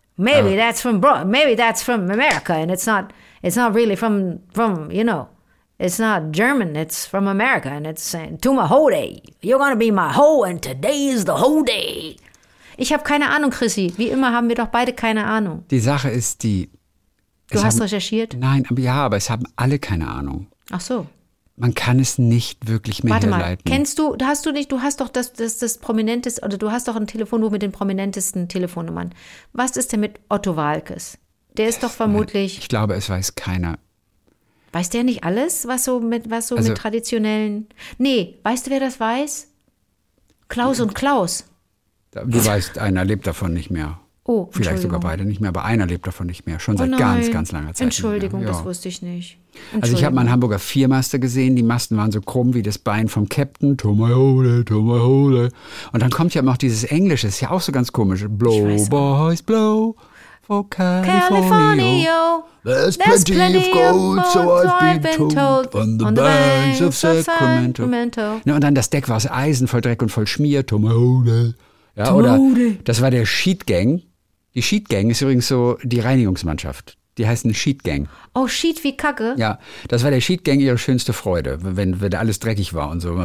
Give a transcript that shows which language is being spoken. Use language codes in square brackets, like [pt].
[en] Maybe that's from America, and it's not really from, you know. It's not German, it's from America, and it's saying, to my whole day. You're gonna be my hoe, and today is the whole day. [de] Ich habe keine Ahnung, Chrissy. Wie immer haben wir doch beide keine Ahnung. Die Sache ist die... Du hast recherchiert? Nein, aber ja, aber es haben alle keine Ahnung. Ach so. Man kann es nicht wirklich mehr herleiten. Warte mal, kennst du, hast du nicht, du hast doch das Prominenteste, oder du hast doch ein Telefonbuch mit den prominentesten Telefonnummern. Was ist denn mit Otto Waalkes? Der ist doch vermutlich... Ich glaube, es weiß keiner. Weiß der nicht alles, was mit traditionellen... Nee, weißt du, wer das weiß? Klaus und Klaus. Du weißt, einer lebt davon nicht mehr. Oh, vielleicht sogar beide nicht mehr, aber einer lebt davon nicht mehr. Schon seit ganz, ganz langer Zeit. Entschuldigung, das wusste ich nicht. Also ich habe mal einen Hamburger Viermaster gesehen. Die Masten waren so krumm wie das Bein vom Captain. Tomahole. Und dann kommt ja immer noch dieses Englische. Ist ja auch so ganz komisch. [en] Blow, boys, blow. California. There's plenty of gold, so I've been told. On the banks of Sacramento. [de] Ne, und dann das Deck war aus Eisen, voll Dreck und voll Schmier. Tomahole. Ja, oder das war der Sheet Gang. Die Sheet Gang ist übrigens so die Reinigungsmannschaft. Die heißen Sheet Gang. Oh, Sheet wie Kacke? Ja, das war der Sheet Gang ihre schönste Freude, wenn alles dreckig war und so.